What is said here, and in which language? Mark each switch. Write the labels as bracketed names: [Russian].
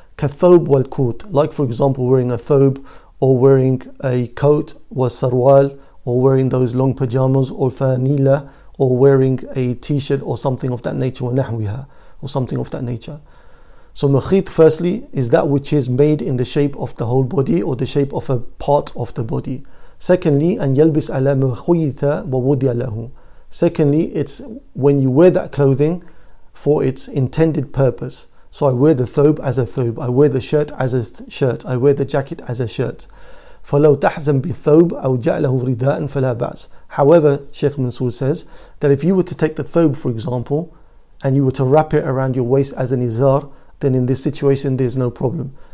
[Arabic] كالثوب والكوت, [English] like for example wearing a thobe or wearing a coat [Arabic] والسروال, [English] or wearing those long pajamas [Arabic] والفانيلة, [English] or wearing a t-shirt or something of that nature [Arabic] ونحوها, [English] or something of that nature. So مخيط firstly is that which is made in the shape of the whole body or the shape of a part of the body. [Arabic] Secondly, أن يلبس على مخيطة ووضع له. [English] Secondly, it's when you wear that clothing for its intended purpose. So I wear the thobe as a thobe. I wear the shirt as a shirt. I wear the jacket as a shirt. [Arabic] فَلَوْ تَحْزَمْ بِثَوْبِ أَوْ جَعْلَهُ رِدَاءً فَلَا بَأْسَ. [English] However, Sheikh Mansour says that if you were to take the thobe, for example, and you were to wrap it around your waist as an izar, then in this situation, there's no problem.